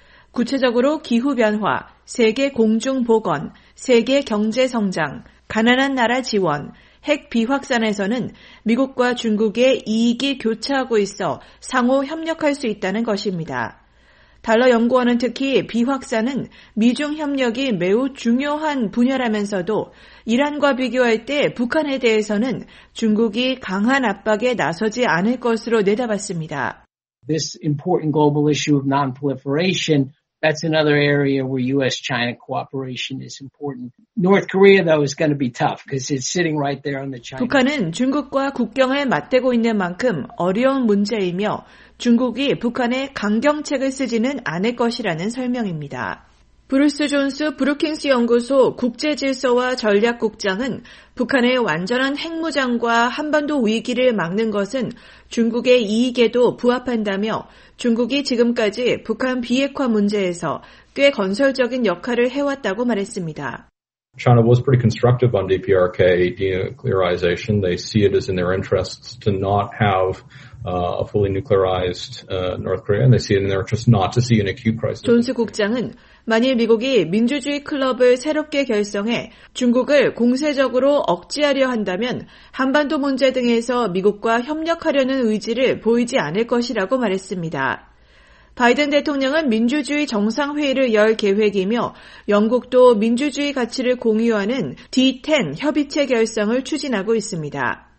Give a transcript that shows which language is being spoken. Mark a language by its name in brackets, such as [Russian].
[Korean] 구체적으로 기후변화, 세계 공중보건, 세계 경제성장, 가난한 나라 지원, 핵 비확산에서는 미국과 중국의 이익이 교차하고 있어 상호 협력할 수 있다는 것입니다. 달러 연구원은 특히 비확산은 미중 협력이 매우 중요한 분야라면서도 이란과 비교할 때 북한에 대해서는 중국이 강한 압박에 나서지 않을 것으로 내다봤습니다. [English] This important global issue of non-proliferation, that's another area where U.S.-China cooperation is important. North Korea, though, is going to be tough because it's sitting right there on the China. [Korean] 북한은 중국과 국경을 맞대고 있는 만큼 어려운 문제이며 중국이 북한에 강경책을 쓰지는 않을 것이라는 설명입니다. 브루스 존스 브루킹스 연구소 국제질서와 전략국장은 북한의 완전한 핵무장과 한반도 위기를 막는 것은 중국의 이익에도 부합한다며 중국이 지금까지 북한 비핵화 문제에서 꽤 건설적인 역할을 해왔다고 말했습니다. [English] China was pretty constructive on DPRK denuclearization. They see it as in their interests to not have a fully nuclearized North Korea, and they see it in their interest not to see an acute crisis. [Korean] 존스 국장은 만일 미국이 민주주의 클럽을 새롭게 결성해 중국을 공세적으로 억제하려 한다면 한반도 문제 등에서 미국과 협력하려는 의지를 보이지 않을 것이라고 말했습니다. 바이든 대통령은 민주주의 정상회의를 열 계획이며 영국도 민주주의 가치를 공유하는 D10 협의체 결성을 추진하고 있습니다.